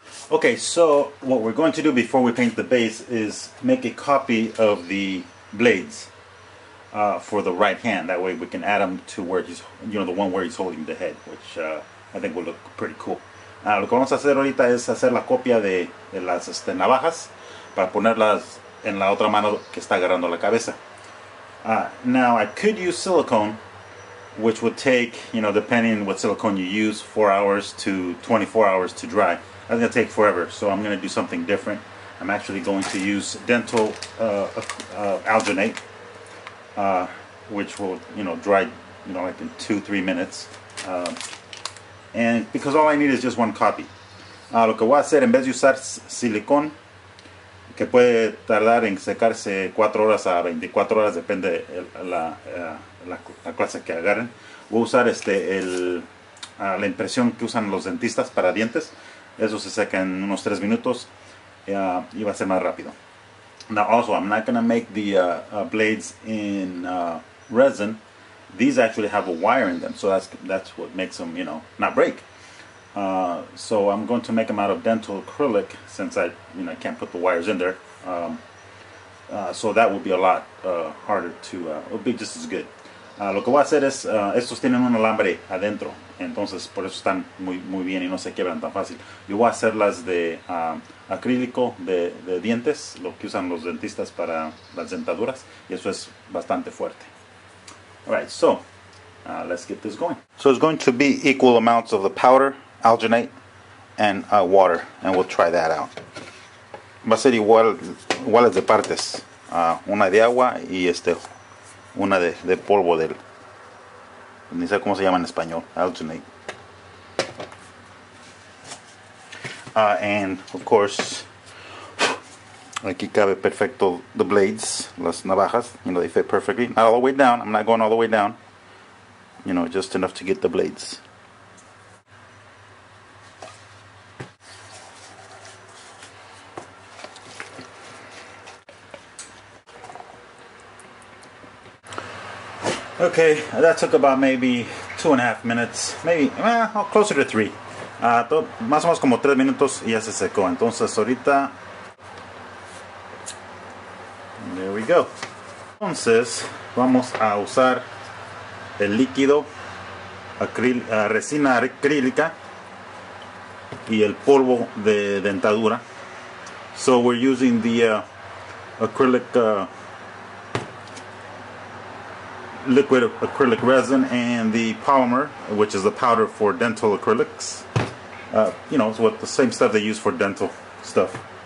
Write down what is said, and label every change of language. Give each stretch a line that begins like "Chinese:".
English: Okay, so what we're going to do before we paint the base is make a copy of the blades for the right hand. That way we can add them to where he's, you know, the one where he's holding the head, which I think will look pretty cool.
Spanish: Lo que vamos a hacer ahorita es hacer la copia de las navajas para ponerlas en la otra mano que está agarrando la cabeza.
English: Now, I could use silicone, which would take, you know, depending on what silicone you use, 4 hours to 24 hours to dry. That's gonna take forever, so I'm gonna do something different. I'm actually going to use dental alginate, which will, you know, dry, you know, like in 2-3 minutes. And because all I need is just one copy.
Spanish: Lo que voy a hacer, en vez de usar silicón, que puede tardar en secarse 4 horas a 24 horas, depende la clase que agarren, voy a usar la impresión que usan los dentistas para dientes. Eso se seca en unos 3 minutos y va a ser más rápido.
English: Now also, I'm not going to make the blades in resin. These actually have a wire in them, so that's what makes them, you know, not break. So I'm going to make them out of dental acrylic since I, you know, can't put the wires in there. So that would be a lot harder to, it'll be just as good.
Spanish: Lo que voy a hacer es, estos tienen un alambre adentro. Entonces, por eso están muy, muy bien y no se quiebran tan fácil. Yo voy a hacerlas de acrílico de dientes, lo que usan los dentistas para las dentaduras. Y eso es bastante fuerte.
English: All right, so, let's get this going. So it's going to be equal amounts of the powder, alginate, and water. And we'll try that out.
Spanish: Va a ser iguales de partes. Una de agua y una de polvo del... Ni sé cómo se llama en español. Alternate.
English: And of course,
Spanish: aquí cabe perfecto
English: the blades,
Spanish: las navajas.
English: You know, they fit perfectly. Not all the way down. I'm not going all the way down. You know, just enough to get the blades. Okay, that took about maybe 2.5 minutes, closer to 3.
Spanish: Más o menos como 3 minutos y ya se secó. Entonces ahorita,
English: there we go.
Spanish: Entonces vamos a usar el líquido, resina acrílica y el polvo de dentadura.
English: So we're using the acrylic liquid acrylic resin and the polymer, which is the powder for dental acrylics. It's what the same stuff they use for dental stuff.